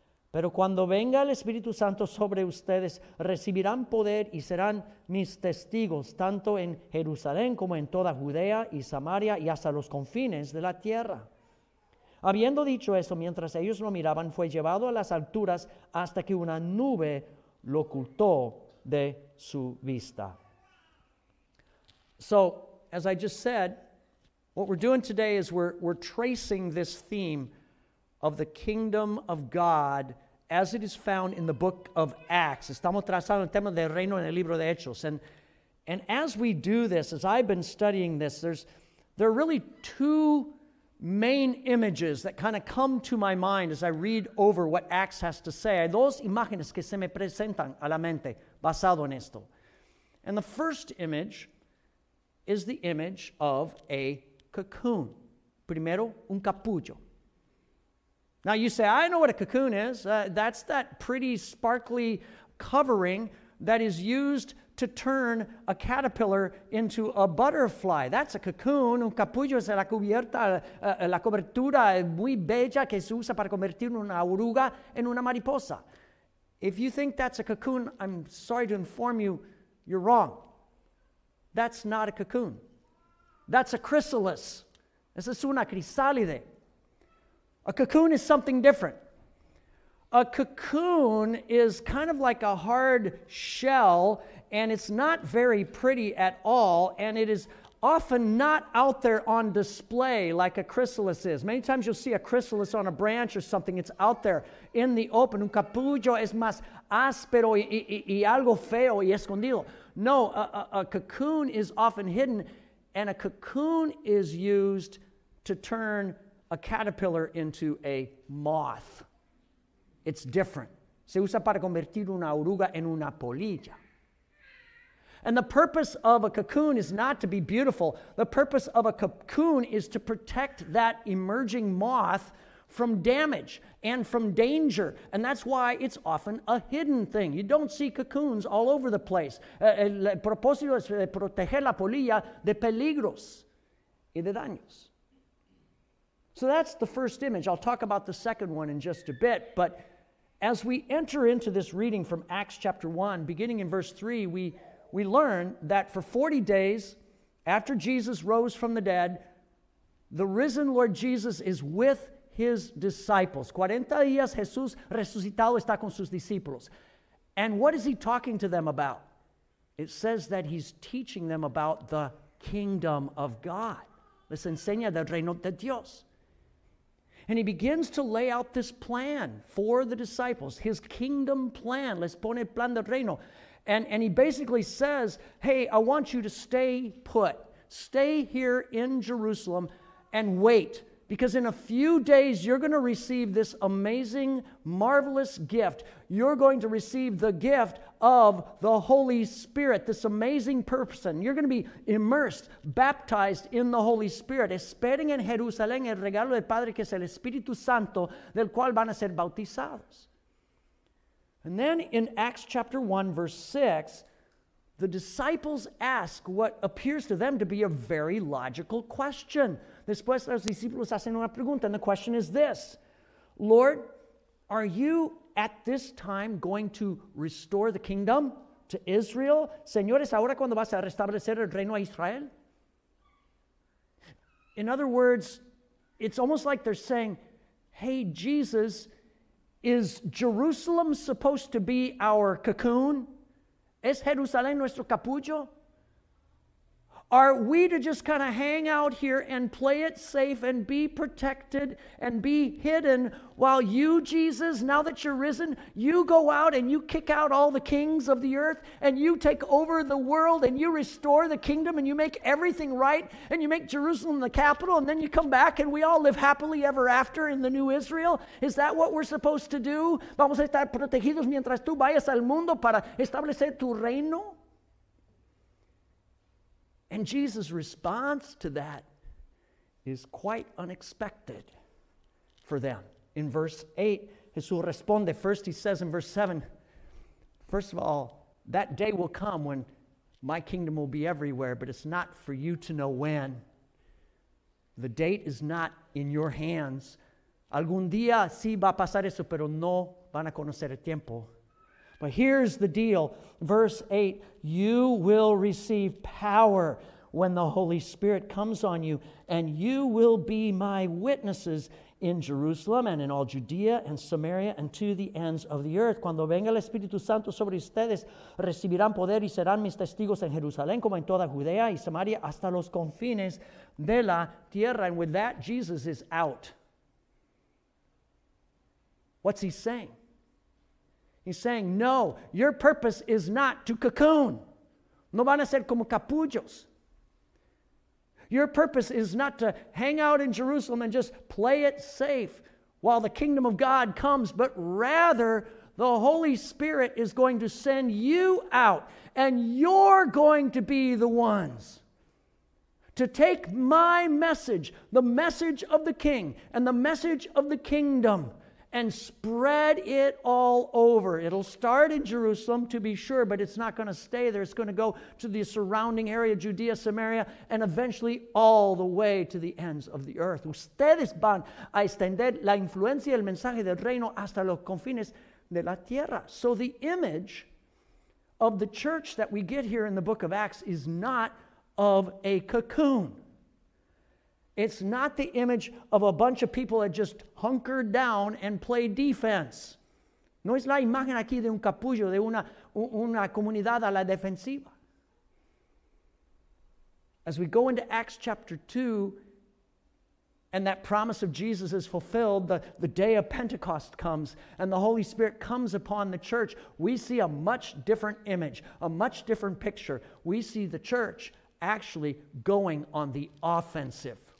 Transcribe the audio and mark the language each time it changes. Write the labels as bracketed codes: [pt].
[es] Pero cuando venga el Espíritu Santo sobre ustedes, recibirán poder y serán mis testigos, tanto en Jerusalén como en toda Judea y Samaria y hasta los confines de la tierra. Habiendo dicho eso, mientras ellos lo miraban, fue llevado a las alturas hasta que una nube lo ocultó de su vista. [en] So, as I just said, what we're doing today is we're tracing this theme of the kingdom of God as it is found in the book of Acts. [es] Estamos trazando el tema del reino en el libro de Hechos. [en] And as we do this, as I've been studying this, there are really two main images that kind of come to my mind as I read over what Acts has to say. [es] Hay dos imágenes que se me presentan a la mente basado en esto. [en] And the first image is the image of a cocoon. [es] Primero, un capullo. [en] Now you say, I know what a cocoon is. That's that pretty sparkly covering that is used to turn a caterpillar into a butterfly. That's a cocoon. [es] Un capullo es la cubierta, la cobertura muy bella que se usa para convertir una oruga en una mariposa. [en] If you think that's a cocoon, I'm sorry to inform you, you're wrong. That's not a cocoon. That's a chrysalis. [es] Esa es una crisálide. [en] A cocoon is something different. A cocoon is kind of like a hard shell, and it's not very pretty at all, and it is often not out there on display like a chrysalis is. Many times you'll see a chrysalis on a branch or something. It's out there in the open. [es] Un capullo es más áspero y algo feo y escondido. [en] No, a cocoon is often hidden, and a cocoon is used to turn a caterpillar into a moth. It's different. [es] Se usa para convertir una oruga en una polilla. [en] And the purpose of a cocoon is not to be beautiful. The purpose of a cocoon is to protect that emerging moth from damage and from danger. And that's why it's often a hidden thing. You don't see cocoons all over the place. [es] El propósito es de proteger la polilla de peligros y de daños. [en] So that's the first image. I'll talk about the second one in just a bit. But as we enter into this reading from Acts chapter 1, beginning in verse 3, we learn that for 40 days after Jesus rose from the dead, the risen Lord Jesus is with his disciples. [es] 40 días Jesús resucitado está con sus discípulos. [en] And what is he talking to them about? It says that he's teaching them about the kingdom of God. [es] Les enseña del reino de Dios. [en] And he begins to lay out this plan for the disciples, his kingdom plan. [es] Les pone el plan del reino. [en] And he basically says, hey, I want you to stay put. Stay here in Jerusalem and wait. Because in a few days, you're going to receive this amazing, marvelous gift. You're going to receive the gift of the Holy Spirit, this amazing person. You're going to be immersed, baptized in the Holy Spirit. [es] Esperen en Jerusalén el regalo del Padre, que es el Espíritu Santo, del cual van a ser bautizados. [en] And then in Acts chapter 1, verse 6, the disciples ask what appears to them to be a very logical question. [es] Después los discípulos hacen una pregunta, [en] and the question is this. Lord, are you at this time going to restore the kingdom to Israel? [es] Señores, ¿ahora cuando vas a restablecer el reino a Israel? [en] In other words, it's almost like they're saying, hey, Jesus, is Jerusalem supposed to be our cocoon? [es] ¿Es Jerusalén nuestro capullo? [en] Are we to just kind of hang out here and play it safe and be protected and be hidden while you, Jesus, now that you're risen, you go out and you kick out all the kings of the earth and you take over the world and you restore the kingdom and you make everything right and you make Jerusalem the capital and then you come back and we all live happily ever after in the new Israel? Is that what we're supposed to do? [es] Vamos a estar protegidos mientras tú vayas al mundo para establecer tu reino? [en] And Jesus' response to that is quite unexpected for them. In verse 8, [es] Jesús responde. [en] First, he says in verse 7, first of all, that day will come when my kingdom will be everywhere, but it's not for you to know when. The date is not in your hands. [es] Algún día sí va a pasar eso, pero no van a conocer el tiempo. [en] But here's the deal. Verse 8, you will receive power when the Holy Spirit comes on you, and you will be my witnesses in Jerusalem and in all Judea and Samaria and to the ends of the earth. [es] Cuando venga el Espíritu Santo sobre ustedes, recibirán poder y serán mis testigos en Jerusalén como en toda Judea y Samaria hasta los confines de la tierra. [en] And with that, Jesus is out. What's he saying? He's saying, no, your purpose is not to cocoon. [es] No van a ser como capullos. [en] Your purpose is not to hang out in Jerusalem and just play it safe while the kingdom of God comes, but rather the Holy Spirit is going to send you out and you're going to be the ones to take my message, the message of the king and the message of the kingdom, and spread it all over. It'll start in Jerusalem, to be sure, but it's not going to stay there. It's going to go to the surrounding area, Judea, Samaria, and eventually all the way to the ends of the earth. [es] Ustedes van a extender la influencia y el mensaje del reino hasta los confines de la tierra. [en] So the image of the church that we get here in the book of Acts is not of a cocoon. It's not the image of a bunch of people that just hunkered down and play defense. [es] No es la imagen aquí de un capullo, de una comunidad a la defensiva. [en] As we go into Acts chapter 2, and that promise of Jesus is fulfilled, the day of Pentecost comes, and the Holy Spirit comes upon the church, we see a much different image, a much different picture. We see the church actually going on the offensive.